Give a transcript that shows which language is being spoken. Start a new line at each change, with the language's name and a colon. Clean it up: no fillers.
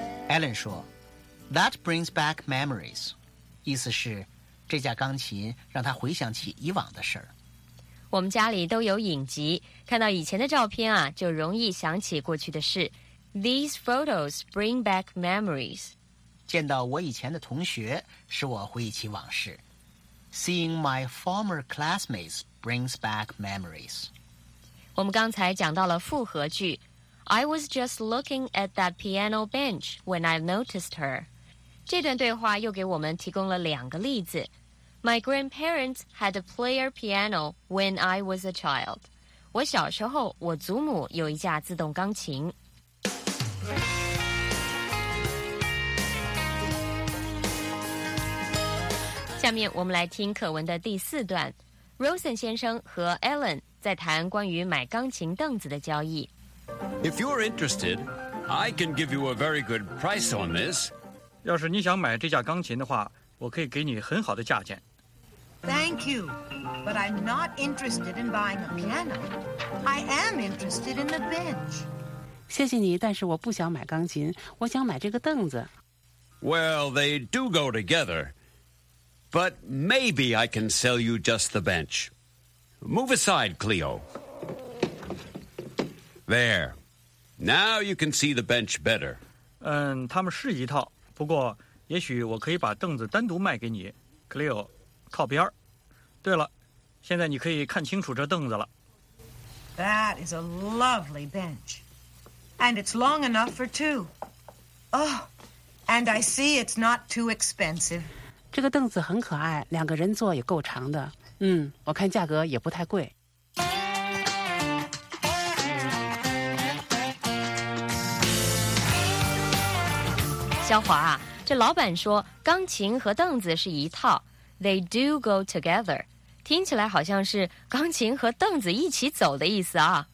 Chinese: Alan 说 ，
English: That brings back memories，
Chinese: 意思是这架钢琴让他回想起以往的事儿。我们家里都有影集，看到以前的照片啊，就容易想起过去的事。
English: These photos bring back memories.
Chinese: 见到我以前的同学，使我回忆起往事。
English: Seeing my former classmates brings back memories.
Chinese: 我们刚才讲到了复合句。
English: I was just looking at that piano bench when I noticed her.
Chinese: 这段对话又给我们提供了两个例子。
English: My grandparents had a player piano when I was a child.
Chinese: 我小时候，我祖母有一架自动钢琴。下面我们来听课文的第四段。Rosen 先生和 Alan 在谈关于买钢琴凳子的交易。
English: If you're interested, I can give you a very good price on this.
Chinese: 要是你想买这架钢琴的话，我可以给你很好的价钱。
English: Thank you, but I'm not interested in buying a piano. I am interested in the bench.
Chinese: 谢谢你，但是我不想买钢琴，我想买这个凳子。
English: Well, they do go together, but maybe I can sell you just the bench. Move aside, Cleo. There. Now you can see the bench better.
Chinese: 嗯，他们是一套，不过也许我可以把凳子单独卖给你。 Cleo， 靠边。对了，现在你可以看清楚这凳子了。
English: That is a lovely bench. And it's long enough for two. Oh, and I see it's not too expensive.
Chinese: 这个凳子很可爱，两个人坐也够长的。嗯，我看价格也不太贵。肖华啊，这老板说钢琴和凳子是一套 ，
English: they do go together，
Chinese: 听起来好像是钢琴和凳子一起走的意思啊。